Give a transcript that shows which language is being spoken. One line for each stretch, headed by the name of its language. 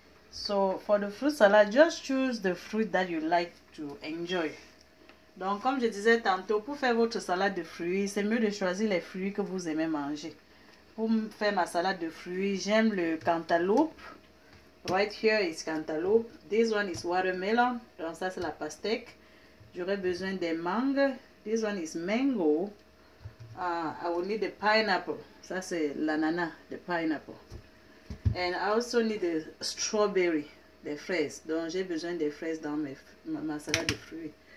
English: So for the fruit salad, just choose the fruit that you like to enjoy.
French: Donc comme je disais tantôt, pour faire votre salade de fruits, c'est mieux de choisir les fruits que vous aimez manger. Pour faire ma salade de fruits, j'aime le cantaloupe.
English: Right here is cantaloupe. This one is watermelon.
French: Donc ça c'est la pastèque. J'aurai besoin des mangues.
English: This one is mango. I will need the pineapple.
French: Ça c'est l'ananas,
English: the pineapple. And I also need the strawberry,
French: des fraises. Donc j'ai besoin des fraises dans ma salade de fruits.